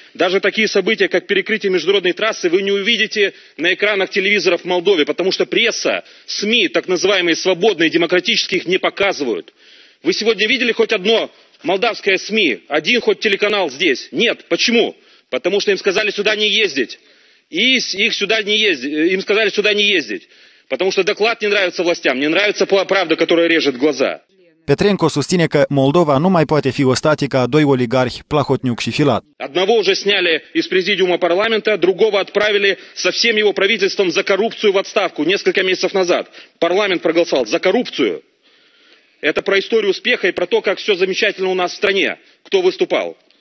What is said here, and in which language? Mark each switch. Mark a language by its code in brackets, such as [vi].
[ru] Даже такие события, как перекрытие международной трассы, вы не увидите на экранах телевизоров в Молдове, потому что пресса, СМИ, так называемые свободные, демократические, их не показывают. Вы сегодня видели хоть одно молдавское СМИ, один хоть телеканал здесь? Нет. Почему? Потому что им сказали сюда не ездить. Потому что доклад не нравится властям, не нравится правда, которая режет глаза. [ro] Петренко susține că Moldova nu mai poate fi o statică a doi oligarhi, Plahotniuc și Filat. [ru] Одного уже сняли из президиума парламента, другого отправили со всем его правительством за коррупцию в отставку несколько месяцев назад. Парламент проголосовал за коррупцию. Это про историю успеха и про то, как все замечательно у нас в стране, кто выступал.